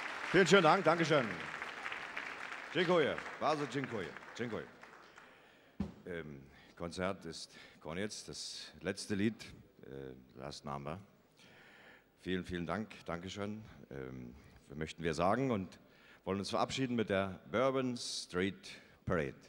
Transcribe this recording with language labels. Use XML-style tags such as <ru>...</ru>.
<de>Vielen schönen Dank, danke schön.</de> <pl>Dziękuję, bardzo dziękuję, dziękuję.</pl> <de>Konzert ist</de> <pl>koniec,</pl> <de>das letzte Lied,</de> <en>Last Number.</en> <de>Vielen, vielen Dank, danke schön. Möchten wir sagen und wollen uns verabschieden mit der Bourbon Street Parade.</de>